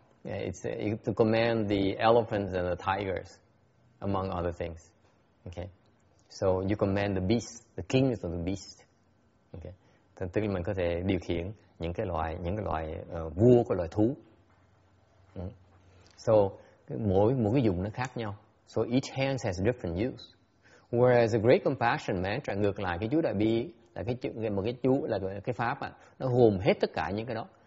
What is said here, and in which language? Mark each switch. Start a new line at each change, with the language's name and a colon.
English: It's to command the elephants and the tigers, among other things. Okay, so you command the beast, the kings of the beast.
Vietnamese: Okay, thì tức là mình có thể điều khiển những cái loài vua của loài thú. So mỗi cái dùng nó khác nhau.
English: So each hand has a different use. Whereas the great compassion mantra,
Vietnamese: ngược lại cái chú đại bi là cái chữ, một cái chú là cái pháp nó gồm hết tất cả những cái đó.